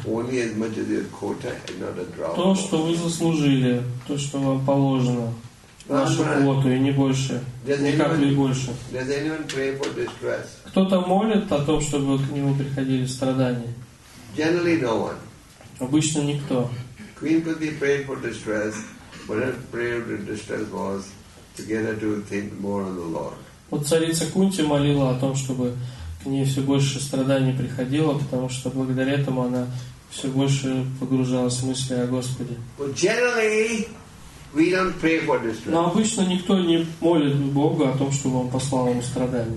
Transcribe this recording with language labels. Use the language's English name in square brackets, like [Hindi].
[English] Only as much as your quota and not a drop. [Russian] То, что вы заслужили, то, что вам положено, вашу квоту, и не больше, ни капли больше. [English] Does anyone pray for distress? [Russian] Кто-то молит о том, чтобы к нему приходили страдания? [English] Generally, no one. [Russian] Обычно никто. [English] Queen could be praying for distress. But her prayer to distress was to get her to think more on the Lord. [Russian] Вот царица Кунти молила о том, чтобы к ней все больше страданий приходило, потому что благодаря этому она все больше погружалась в мысли о Господе. [English] But generally, We don't pray for distress. [Russian] Но обычно никто не молит Бога о том, чтобы он послал ему страдания.